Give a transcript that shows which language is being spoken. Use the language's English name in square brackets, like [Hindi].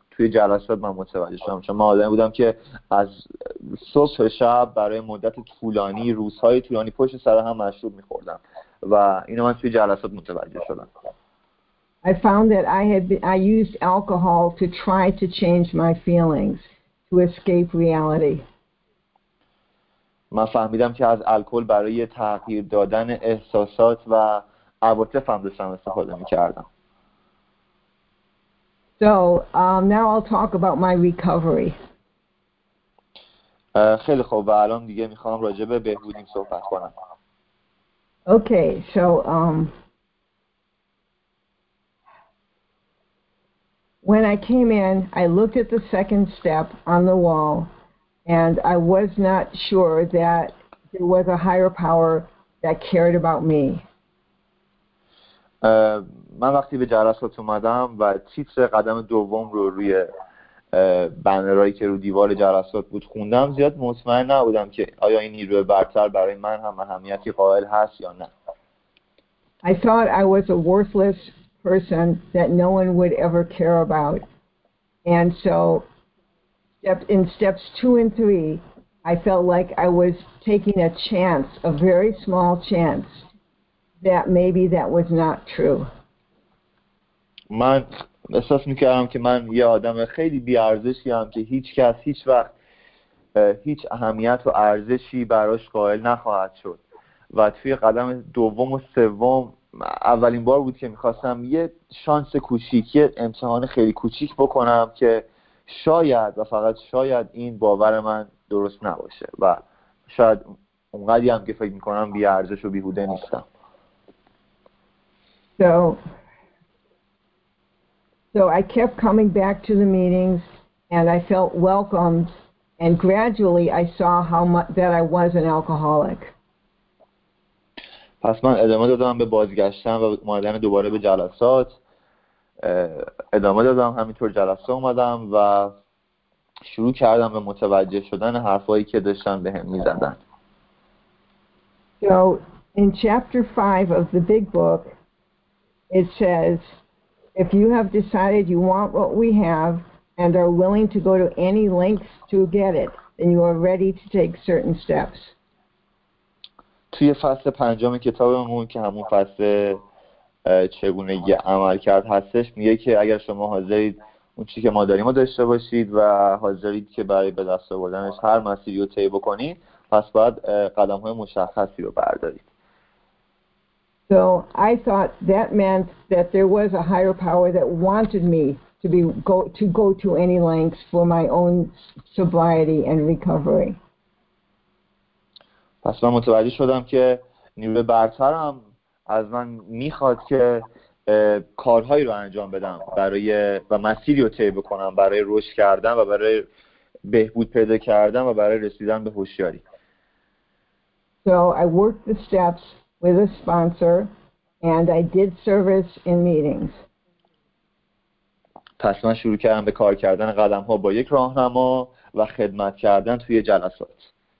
[Persian] توی جلسات من متوجه شدم چون من آدمی بودم که از صبح شب برای مدت طولانی، روزهای طولانی پشت سر هم مشروب می‌خوردم و اینو من توی جلسات متوجه شدم. [English] I found that I used alcohol to try to change my feelings, to escape reality. [Persian] من فهمیدم که از الکل برای تغییر دادن احساسات و عواطفم داشتم استفاده می‌کردم. [English] So now I'll talk about my recovery. [Persian] خیلی خوب، و الان دیگه میخوام راجع به بهبودی صحبت کنم. [English] Okay, so when I came in, I looked at the second step on the wall and I was not sure that there was a higher power that cared about me. [Persian] من وقتی به جلسات اومدم و تیتر قدم دوم رو روی بنرایی که رو دیوار جلسات بود خوندم، زیاد مطمئن نبودم که آیا این نیروی برتر برای من هم اهمیتی قائل هست یا نه. [English] I thought I was a worthless person that no one would ever care about. And so in steps 2 and 3, I felt like I was taking a chance, a very small chance, that maybe that was not true. [Persian] من احساس میکردم که من یه آدم خیلی بی‌ارزشی هم که هیچ کس هیچ وقت هیچ اهمیت و ارزشی براش قائل نخواهد شد. و توی قدم دوم و سوم اولین بار بود که میخواستم یه شانس کوچیک، یه امتحان خیلی کوچیک بکنم که شاید و فقط شاید این باور من درست نباشه و شاید اونقدی هم که فکر میکنم بی ارزش و بیهوده نیستم. [English] So I kept coming back to the meetings and I felt welcomed, and gradually I saw how much that I was an alcoholic. [Persian] پس من ادامه دادم به بازگشتن و اومدن دوباره به جلسات، ادامه دادم همینطور جلسه اومدم و شروع کردم به متوجه شدن حرفایی که داشتن به هم میزدن. [English] So in chapter 5 of the big book it says, if you have decided you want what we have and are willing to go to any lengths to get it, then you are ready to take certain steps. [Persian] توی فصل پنجم کتابمون که همون فصل چگونگی عمل کرد هستش، میگه که اگر شما حاضرید اون چیزی که ما داریم رو داشته باشید و حاضرید که برای به دست آوردنش هر مسیری رو طی بکنید، پس باید قدم‌های مشخصی رو بردارید. [English] So I thought that meant that there was a higher power that wanted me to be go to any lengths for my own sobriety and recovery. [Persian] پس من متوجه شدم که نیروی برترم از من میخواد که کارهایی رو انجام بدم برای و مسیری رو طی بکنم برای رشد کردن و برای بهبود پیدا کردن و برای رسیدن به هوشیاری. [English] So I worked the steps with a sponsor and I did service in meetings. [Persian] پس من شروع کردم به کار کردن قدم ها با یک راهنما و خدمت کردن توی جلسات.